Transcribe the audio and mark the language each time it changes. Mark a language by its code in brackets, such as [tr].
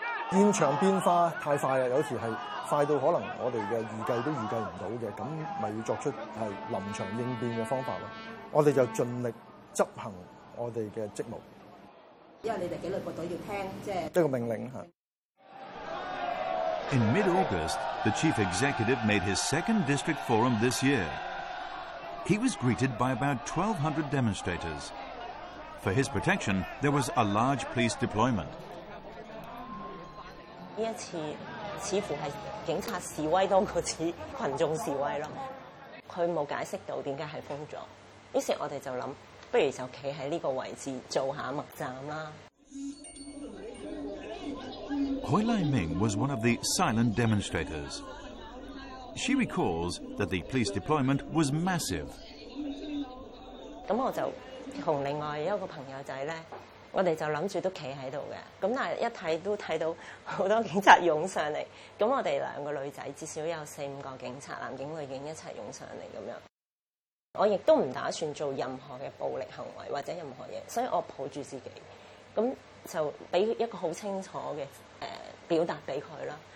[yue] 現場變化太快啦，有時係快到可能我哋嘅預計都預計唔到嘅，咁咪要作出係臨場應變嘅方法咯。我哋就盡力執行。我哋嘅職務，因為你哋紀律部隊要聽，一個命令嚇。 [en] In mid-August, the chief executive made his second district forum this year. He was greeted by about 1,200 demonstrators. For his protection, there was a large police deployment. [yue] 呢一次似乎係警察示威多過似群眾示威咯。佢冇解釋到點解係封咗，於是我哋就諗。不如就企喺呢個位置做下默站啦。 [en] Hoi Lai Ming was one of the silent demonstrators. She recalls that the police deployment was massive. [yue] 咁我就同另外一個朋友仔咧，我哋就諗住都企喺度嘅。咁但係一睇都睇到好多警察湧上嚟。咁我哋兩個女仔至少有四五個警察，男警女警一齊湧上嚟咁樣。我亦都唔打算做任何嘅暴力行為或者任何嘢，所以我抱住自己，咁就俾一個好清楚嘅表達俾佢啦。